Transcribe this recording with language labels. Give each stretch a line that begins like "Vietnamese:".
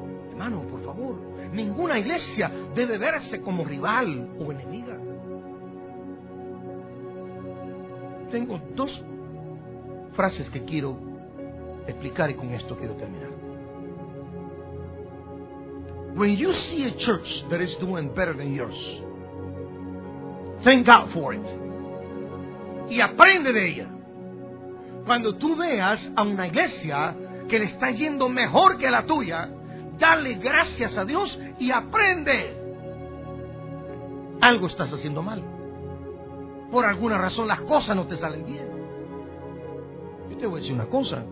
Spanish: Hermano, por favor, ninguna iglesia debe verse como rival o enemiga. Tengo dos frases que quiero explicar y con esto quiero terminar.
English: When you see a church that is doing better than yours, thank God for it.
Spanish: Y aprende de ella. Cuando tú veas a una iglesia que le está yendo mejor que la tuya, dale gracias a Dios y aprende. Algo estás haciendo mal. Por alguna razón las cosas no te salen bien. Yo te voy a decir una cosa.